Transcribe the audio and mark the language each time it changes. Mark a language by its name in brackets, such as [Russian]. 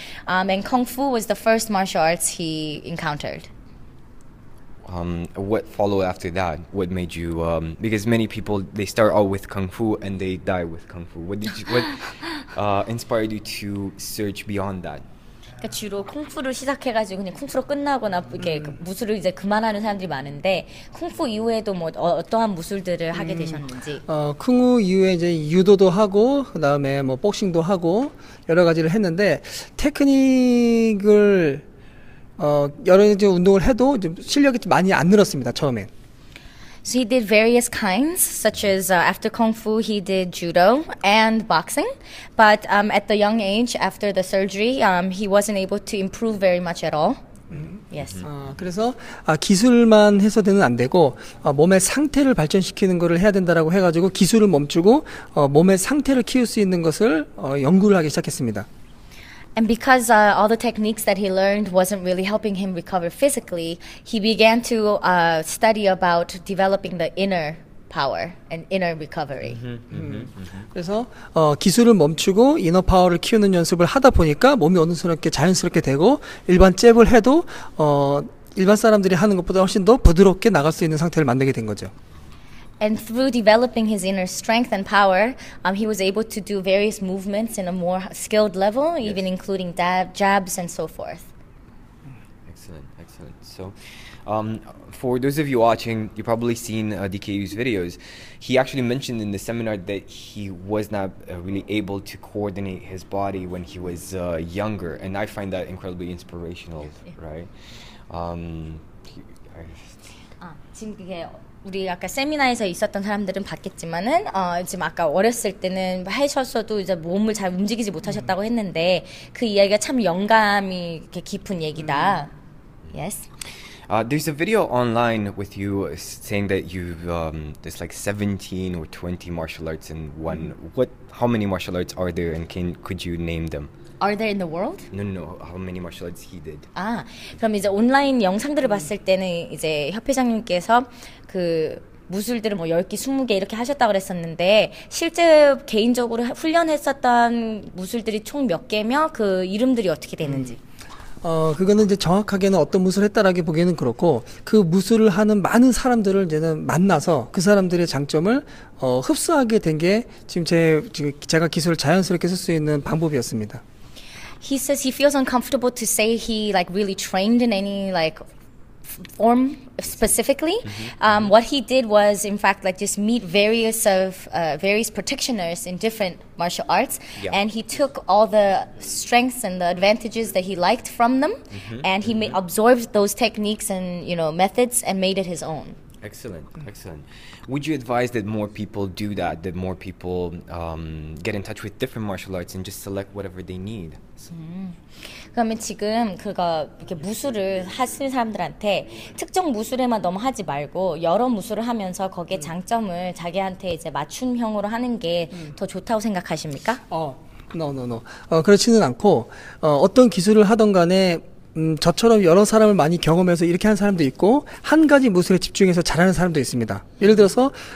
[English] And Kung Fu was the first martial arts he encountered. What followed after that? What made you, because many people, they start out with Kung Fu and they die with Kung Fu. What inspired you to search beyond that? [Korean] 그러니까 주로 쿵푸를 시작해가지고 그냥 쿵푸로 끝나고 나쁘게 무술을 이제 그만하는 사람들이 많은데 쿵푸 이후에도 뭐 어떠한 무술들을 하게 되셨는지. 쿵우 이후에 이제 유도도 하고, 그 다음에 뭐 복싱도 하고, 여러 가지를 했는데, 테크닉을 여러 가지 운동을 해도 실력이 많이 안 늘었습니다, 처음엔. [English] So he did various kinds, such as after Kung Fu, he did judo and boxing. But at the young age, after the surgery, he wasn't able to improve very much at all. Yes. [Korean] 그래서 기술만 해서는 안 되고 몸의 상태를 발전시키는 거를 해야 된다라고 해가지고 기술을 멈추고 몸의 상태를 키울 수 있는 것을 연구를 하기 시작했습니다. [English] And because all the techniques that he learned wasn't really helping him recover physically, he began to study about developing the inner power and inner recovery. [Korean] 그래서 기술을 멈추고 이너 파워를 키우는 연습을 하다 보니까 몸이 어느 순간 이렇게 자연스럽게 되고 일반 잽을 해도 일반 사람들이 하는 것보다 훨씬 더 부드럽게 나갈 수 있는 상태를 만들게 된 거죠. [English] And through developing his inner strength and power, he was able to do various movements in a more skilled level, even Yes. including jabs and so forth. Excellent, excellent. So, for those of you watching, you've probably seen DKU's videos. He actually mentioned in the seminar that he was not really able to coordinate his body when he was younger, and I find that incredibly inspirational, right? Yes. [Korean] 지금 그게 우리 아까 세미나에서 있었던 사람들은 봤겠지만은 지금 아까 어렸을 때는 하셨어도 이제 몸을 잘 움직이지 못하셨다고 했는데 그 이야기가 참 영감이 이렇게 깊은 얘기다. [English] Yes. There's a video online with you saying that you've there's like 17 or 20 martial arts in one. What, how many martial arts are there, and could you name them? Are there in the world? No, how many martial arts he did. [Korean] 아, 그럼 이제 온라인 영상들을 봤을 때는 이제 협회장님께서 그 무술들을 뭐 10개, 20개 이렇게 하셨다고 그랬었는데 실제 개인적으로 훈련했었던 무술들이 총몇 개며 그 이름들이 어떻게 되는지. 그거는 이제 정확하게는 어떤 무술을 했다라기 보기에는 그렇고, 그 무술을 하는 많은 사람들을 이제는 만나서 그 사람들의 장점을 흡수하게 된게 지금 제가 기술을 자연스럽게 쓸수 있는 방법이었습니다. [English] He says he feels uncomfortable to say he like really trained in any like form specifically. What he did was in fact like just meet various of various practitioners in different martial arts, and he took all the strengths and the advantages that he liked from them, and he absorbed those techniques and methods and made it his own. Excellent, excellent. Would you advise that more people do that, that more people get in touch with different martial arts and just select whatever they need? So. [Korean] 그러면 지금 그거 이렇게 무술을 하시는 사람들한테 특정 무술에만 너무 하지 말고 여러 무술을 하면서 거기에 장점을 자기한테 이제 맞춤형으로 하는 게더 좋다고 생각하십니까? [English] No. [Korean] 그렇지는 않고, 어떤 기술을 하던 간에 저처럼 여러 사람을 많이 경험해서 이렇게 한 사람도 있고, 한 가지 무술에 집중해서 잘하는 사람도 있습니다. 예를 들어서,